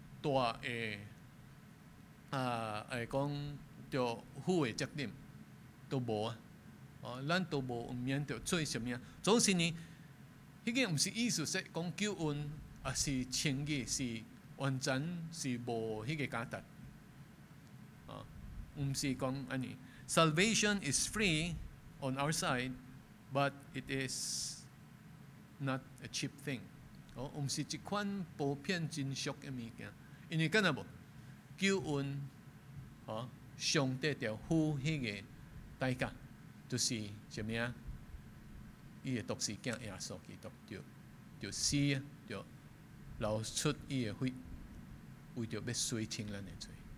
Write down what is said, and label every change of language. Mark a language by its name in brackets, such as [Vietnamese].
[Min Nan Chinese] 大的会讲着父的责任都无啊，哦，咱都无毋免着做啥物啊。总是呢，迄个毋是意思说讲救恩啊，是轻易是完全是无迄个价值，哦，毋是讲安尼。 [English] Salvation is free on our side, but it is not a cheap thing。 [Min Nan Chinese] 哦，毋是一款普遍真俗嘅物件。因为干哪无救恩，哦，上帝着付迄个代价，就是啥物啊？伊个独生子耶稣基督着死，着流出伊个血，为着要洗清咱个罪。